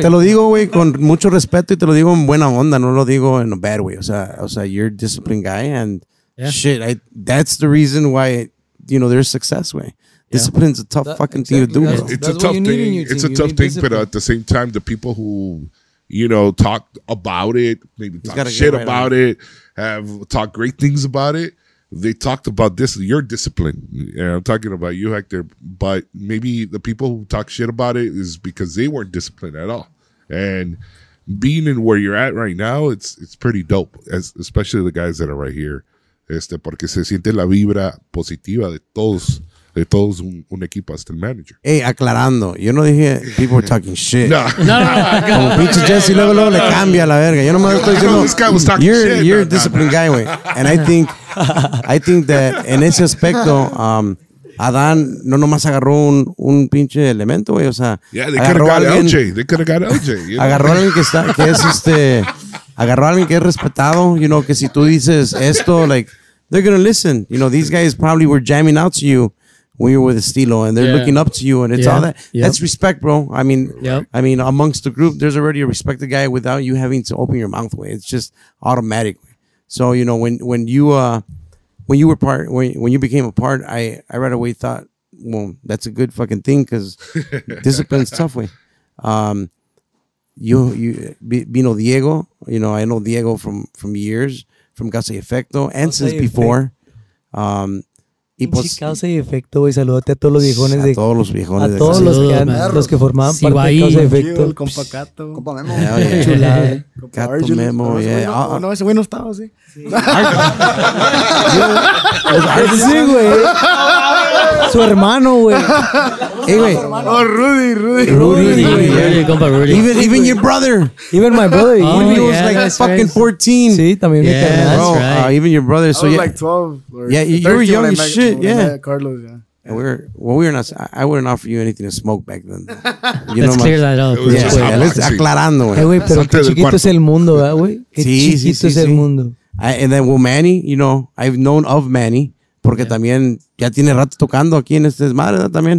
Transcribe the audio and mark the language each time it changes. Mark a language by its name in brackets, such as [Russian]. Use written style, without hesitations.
[Spanish] Te lo digo, güey, con mucho respeto y te lo digo en buena onda. No lo digo [English] in a bad way. O sea, you're a disciplined guy and that's the reason why, you know, there's success, güey. Discipline's a tough fucking thing to do. It's a tough thing, but at the same time, the people who, you know, talk about it, maybe talk shit right about on. It, have talked great things about it, they talked about this, your discipline. And I'm talking about you, Hector. But maybe the people who talk shit about it is because they weren't disciplined at all. And being in where you're at right now, it's pretty dope, especially the guys that are right here. [Spanish] Porque se siente la vibra positiva de todos un equipo, hasta el manager. [English] Hey, [Spanish] aclarando, yo no dije [English] people were talking shit. [Spanish] No. Como pinche Jesse, luego le cambia la verga. Yo nomás estoy diciendo, [English] you're a disciplined guy, [Spanish] güey. [English] And I think that [Spanish] en ese aspecto, Adan no nomás agarró un pinche elemento, güey. O sea, agarró a alguien que es respetado, you know, que si tú dices esto, [English] like, they're going to listen. You know, these guys probably were jamming out to you when you're with Estilo, and they're looking up to you, and it's all that. Yep. That's respect, bro. I mean, I mean, amongst the group, there's already a respected guy without you having to open your mouth. It's just automatic. So, you know, when you were part, when you became a part, I right away thought well, that's a good fucking thing, because discipline's tough, way. You [Spanish] vino [English] Diego, you know, I know Diego from years, from Casa y Efecto, and Casa since before. [Spanish] Y Casa y Efecto, güey, salúdate a todos los viejones. A todos los viejones. A todos los, los que formaban sí, parte de Casa y Efecto. El compa Cato. Compa Memo. Yeah, yeah. Chulada. Cato Memo, no, yeah. No, ese güey no estaba, sí. Sí, güey. Sí, sí, güey. Su hermano, güey. Hey, güey. Oh, Rudy, Rudy. [English] Rudy. Compa Rudy. Even your brother. Even my brother. Oh, when he was like fucking 14. [Spanish] Sí, también mi hermano. [English] Even your brother. I was like 12. Yeah, you were young as shit. Shit, yeah, Carlos. Yeah, and we're not. I wouldn't offer you anything to smoke back then. You let's know clear my, that up. Yeah, yeah, yeah, let's [Spanish] aclarando. Hey, wait, pero qué chiquito cuarto. Es el mundo, güey. Sí, sí, sí, es el mundo. [English] And then, well, Manny, you know, I've known of Manny [Spanish] porque [English] yeah. [Spanish] también ya tiene rato tocando aquí en este desmadre, ¿no?